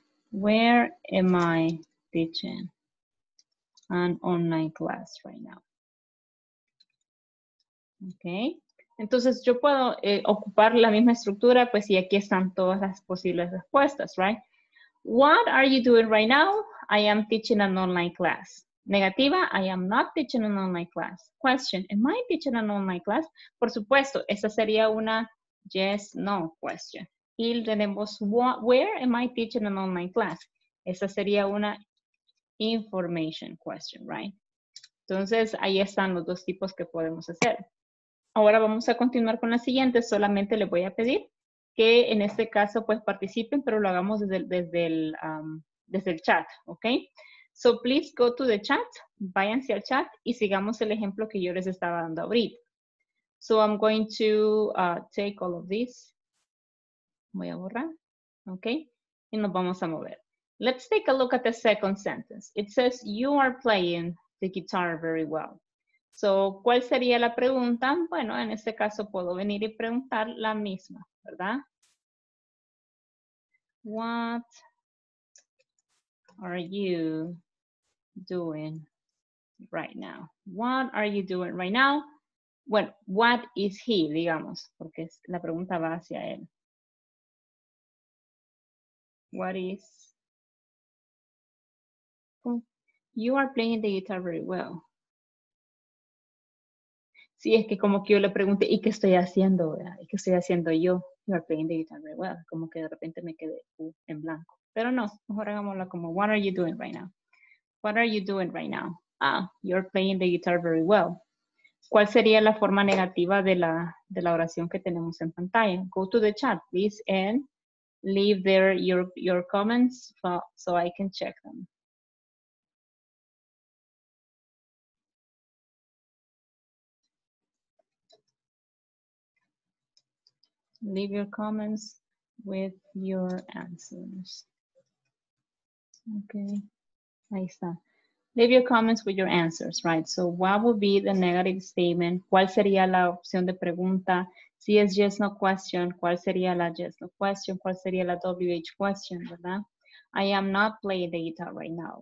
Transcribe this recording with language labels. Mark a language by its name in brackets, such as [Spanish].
[English] Where am I teaching an online class right now? Okay. [Spanish] Entonces, yo puedo ocupar la misma estructura, pues, y aquí están todas las posibles respuestas, [English] right? What are you doing right now? I am teaching an online class. Negativa, I am not teaching an online class. Question, am I teaching an online class? [Spanish] Por supuesto, esa sería una yes, no question. Y tenemos, [English] what, where am I teaching an online class? [Spanish] Esa sería una information question, [English] right? [Spanish] Entonces, ahí están los dos tipos que podemos hacer. Ahora vamos a continuar con la siguiente. Solamente les voy a pedir que en este caso pues participen, pero lo hagamos desde el chat, ¿ok? [English] So please go to the chat, [Spanish] váyanse al chat y sigamos el ejemplo que yo les estaba dando ahorita. [English] So I'm going to take all of this. [Spanish] Voy a borrar, ¿ok? Y nos vamos a mover. [English] Let's take a look at the second sentence. It says, you are playing the guitar very well. [Spanish] So, ¿cuál sería la pregunta? Bueno, en este caso puedo venir y preguntar la misma, ¿verdad? [English] What are you doing right now? What are you doing right now? [Spanish] Bueno, [English] what is he, [Spanish] digamos, porque la pregunta va hacia él. [English] What is... You are playing the guitar very well. [Spanish] Sí, es que como que yo le pregunté, ¿y qué estoy haciendo? ¿Y qué estoy haciendo yo? [English] You are playing the guitar very well. [Spanish] Como que de repente me quedé en blanco. Pero no, mejor hagámoslo como, [English] what are you doing right now? What are you doing right now? Ah, you're playing the guitar very well. [Spanish] ¿Cuál sería la forma negativa de la oración que tenemos en pantalla? [English] Go to the chat, please, and leave there your comments so I can check them. Leave your comments with your answers. Okay, [Spanish] ahí está. [English] Leave your comments with your answers, right? So what would be the negative statement? [Spanish] ¿Cuál sería la opción de pregunta? Si es yes, no question, ¿cuál sería la yes, no question? ¿Cuál sería la WH question, verdad? [English] I am not playing the guitar right now.